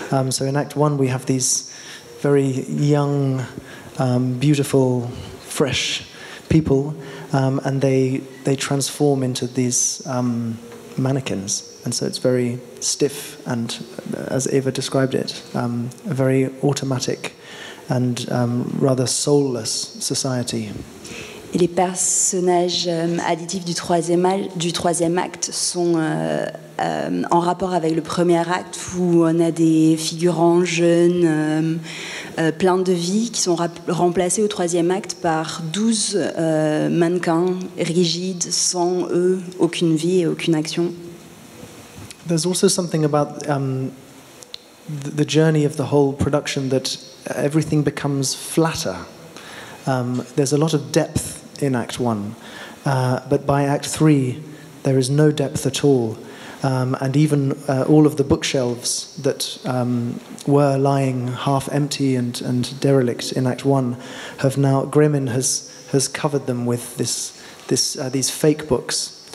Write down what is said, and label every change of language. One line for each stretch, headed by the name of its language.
English: So in Act 1 we have these very young, beautiful, fresh people, and they transform into these mannequins, and so it's very stiff and, as Eva described it, a very automatic and rather soulless society.
French: Et les personnages additifs du troisième acte sont en rapport avec le premier acte où on a des figurants jeunes, pleins de vie, qui sont remplacés au troisième acte par 12 mannequins rigides, sans eux, aucune vie et aucune action.
English: There's also something about the journey of the whole production that everything becomes flatter. There's a lot of depth in Act 1, but by Act 3, there is no depth at all. And even all of the bookshelves that were lying half empty and derelict in Act 1 have now, Grimmin has covered them with these fake books.